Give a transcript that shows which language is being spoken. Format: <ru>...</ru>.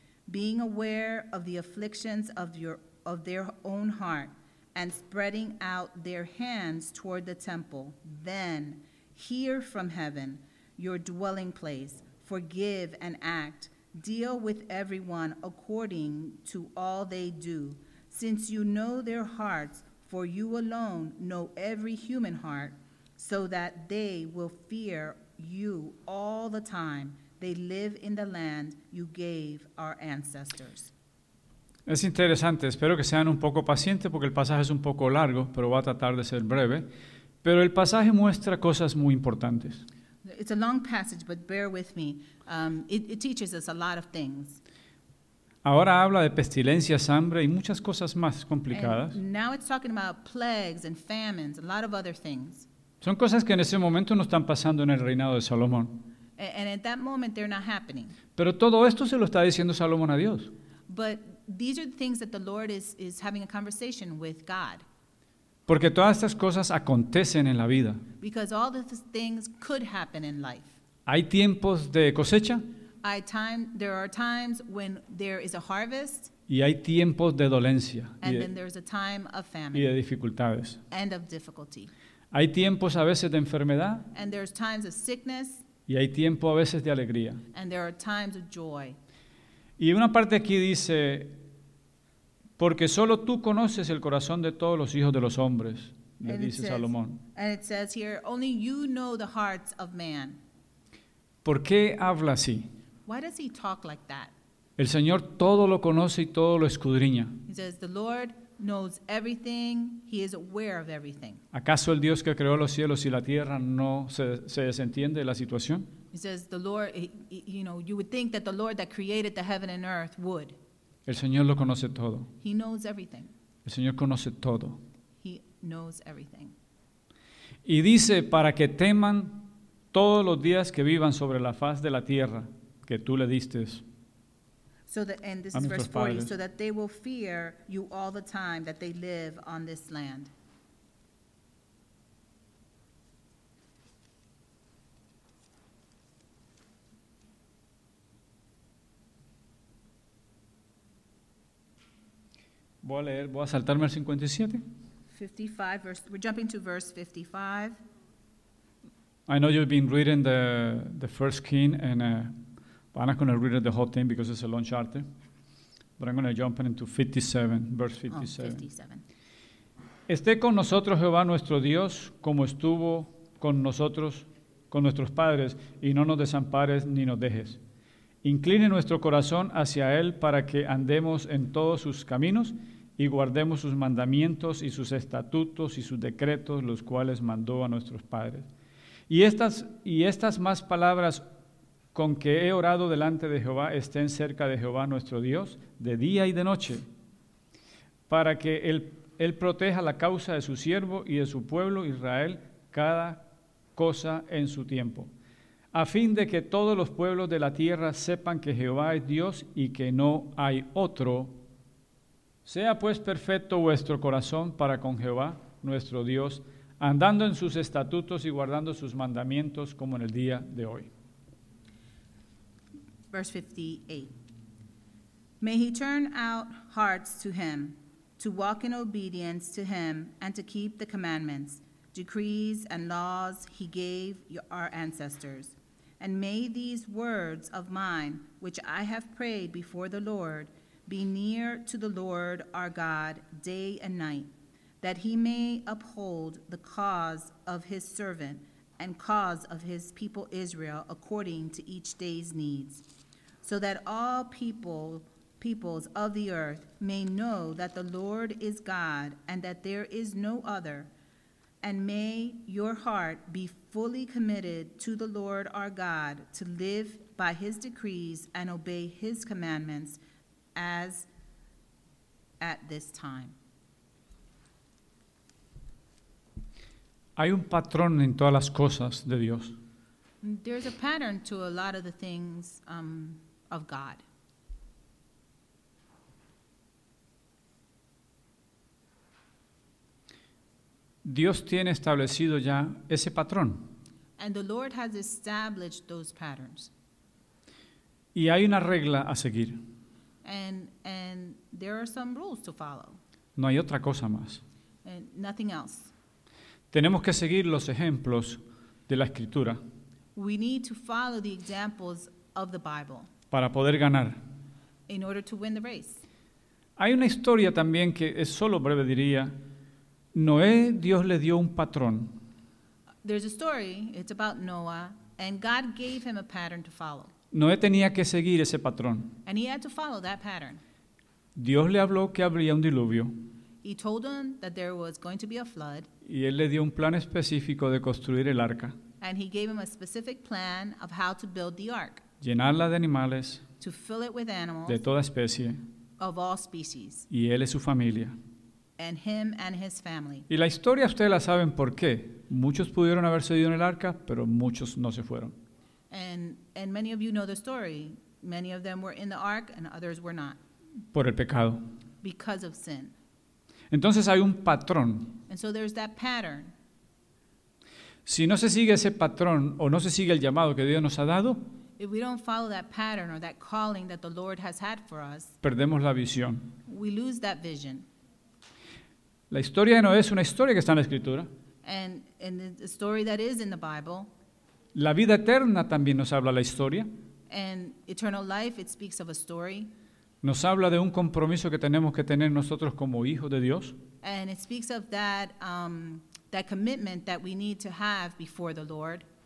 <en>being aware of the afflictions of their own heart and spreading out their hands toward the temple, then hear from heaven, your dwelling place, forgive and act, deal with everyone according to all they do, since you know their hearts, for you alone know every human heart, so that they will fear you all the time they live in the land you gave our ancestors.</en> <es>Es interesante, espero que sean un poco pacientes porque el pasaje es un poco largo, pero va a tratar de ser breve. Pero el pasaje muestra cosas muy importantes.</es> <en>It's a long passage, but bear with me. It teaches us a lot of things.</en> <es>Ahora habla de pestilencias, hambre y muchas cosas más complicadas.</es> <en>And now it's talking about plagues and famines, a lot of other things.</en> <es>Son cosas que en ese momento no están pasando en el reinado de Salomón.</es> <en>And at that moment they're not happening.</en> <es>Pero todo esto se lo está diciendo Salomón a Dios.</es> <en>But these are the things that the Lord is having a conversation with God.</en> <es>Porque todas estas cosas acontecen en la vida.</es> <en>Because all these things could happen in life.</en> <es>Hay tiempos de cosecha.</es> <en>There are times when there is a harvest.</en> <es>Y hay tiempos de dolencia.</es> <en>And then there's a time of famine.</en> <es>Y de dificultades.</es> <en>And of difficulty.</en> <es>Hay tiempos a veces de enfermedad.</es> <en>And there's times of sickness.</en> <es>Y hay tiempo a veces de alegría.</es> <en>And there are times of joy.</en> <es>Y una parte aquí dice, porque solo tú conoces el corazón de todos los hijos de los hombres, le dice Salomón.</es> <en>And it says here, only you know the hearts of man.</en> <es>¿Por qué habla así?</es> <en>Why does he talk like that?</en> <es>El Señor todo lo conoce y todo lo escudriña.</es> <en>He says, the Lord knows everything, he is aware of everything.</en> <es>¿Acaso el Dios que creó los cielos y la tierra no se desentiende de la situación?</es> <en>He says, the Lord, you know, you would think that the Lord that created the heaven and earth would.</en> <es>El Señor lo conoce todo.</es> <en>He knows everything.</en> <es>El Señor conoce todo.</es> <en>He knows everything.</en> <es>Y dice, para que teman todos los días que vivan sobre la faz de la tierra que tú le diste.</es> <en>So that, and this is verse 40, so that they will fear you all the time that they live on this land.</en> <es>Voy a saltarme al 57.</es> <en>55, we're jumping to verse 55. I know you've been reading the first king and I'm not going to read it the whole thing because it's a long chapter, but I'm going to jump into 57, verse 57.</en> <es>Esté con nosotros Jehová nuestro Dios como estuvo con nosotros, con nuestros padres, y no nos desampares ni nos dejes. Incline nuestro corazón hacia Él para que andemos en todos sus caminos y guardemos sus mandamientos y sus estatutos y sus decretos, los cuales mandó a nuestros padres. Y estas más palabras con que he orado delante de Jehová estén cerca de Jehová nuestro Dios, de día y de noche, para que él proteja la causa de su siervo y de su pueblo Israel, cada cosa en su tiempo, a fin de que todos los pueblos de la tierra sepan que Jehová es Dios y que no hay otro. Sea pues perfecto vuestro corazón para con Jehová nuestro Dios, andando en sus estatutos y guardando sus mandamientos como en el día de hoy.</es> <en>Verse 58. May he turn out hearts to him, to walk in obedience to him, and to keep the commandments, decrees, and laws he gave our ancestors. And may these words of mine, which I have prayed before the Lord, be near to the Lord our God day and night, that he may uphold the cause of his servant and cause of his people Israel according to each day's needs. So that all peoples of the earth may know that the Lord is God and that there is no other, and may your heart be fully committed to the Lord our God to live by his decrees and obey his commandments as at this time.</en> <es>Hay un patrón en todas las cosas de Dios.</es> <en>There's a pattern to a lot of the things of God.</en> <es>Dios tiene establecido ya ese patrón.</es> <en>And the Lord has established those patterns.</en> <es>Y hay una regla a seguir.</es> <en>And there are some rules to follow.</en> <es>No hay otra cosa más.</es> <en>And nothing else.</en> <es>Tenemos que seguir los ejemplos de la Escritura.</es> <en>We need to follow the examples of the Bible.</en> <es>Para poder ganar.</es> <en>In order to win the race.</en> <es>Hay una historia también que es solo breve, diría. Noé, Dios le dio un patrón.</es> <en>There's a story, it's about Noah, and God gave him a pattern to follow.</en> <es>Noé tenía que seguir ese patrón.</es> <en>And he had to follow that pattern.</en> <es>Dios le habló que habría un diluvio.</es> <en>He told him that there was going to be a flood.</en> <es>Y él le dio un plan específico de construir el arca.</es> <en>And he gave him a specific plan of how to build the ark.</en> <es>Llenarla de animales.</es> <en>To fill it with animals.</en> <es>De toda especie.</es> <en>Of all species.</en> <es>Y él y su familia.</es> <en>And him and his family.</en> <es>Y la historia ustedes la saben por qué. Muchos pudieron haberse ido en el arca, pero muchos no se fueron.</es> <en>And many of you know the story. Many of them were in the ark and others were not.</en> <es>Por el pecado.</es> <en>Because of sin.</en> <es>Entonces hay un patrón.</es> <en>And so there's that pattern.</en> <es>Si no se sigue ese patrón o no se sigue el llamado que Dios nos ha dado,</es> <en>if we don't follow that pattern or that calling that the Lord has had for us,</en> <es>perdemos la visión.</es> <en>We lose that vision.</en> <es>La historia de Noé es una historia que está en la Escritura.</es> <en>And the story that is in the Bible.</en> <es>La vida eterna también nos habla la historia.</es> <en>And eternal life, it speaks of a story.</en> <es>Nos habla de un compromiso que tenemos que tener nosotros como hijos de Dios.</es> <en>And it speaks of that that commitment that we need to have before the Lord.</en>